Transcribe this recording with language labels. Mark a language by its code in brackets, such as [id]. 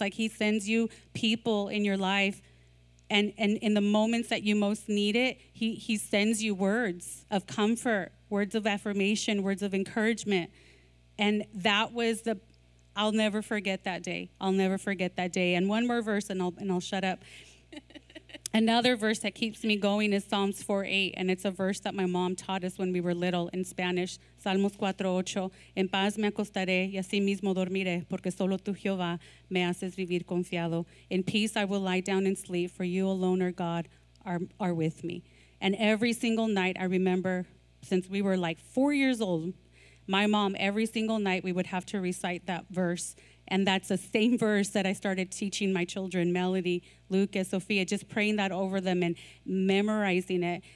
[en] Like, he sends you people in your life, and in the moments that you most need it, he sends you words of comfort, words of affirmation, words of encouragement. And that was the, I'll never forget that day. I'll never forget that day. And one more verse, and I'll shut up. Another verse that keeps me going is Psalms 4:8, and it's a verse that my mom taught us when we were little in Spanish. [es] Salmos 4:8, en paz me acostaré y así mismo dormiré, porque solo tú, Jehová, me haces vivir confiado. [en] In peace I will lie down and sleep, for you alone, our God, are with me. And every single night, I remember since we were like 4 years old, my mom, every single night we would have to recite that verse. And that's the same verse that I started teaching my children, Melody, Lucas, Sophia, just praying that over them and memorizing it.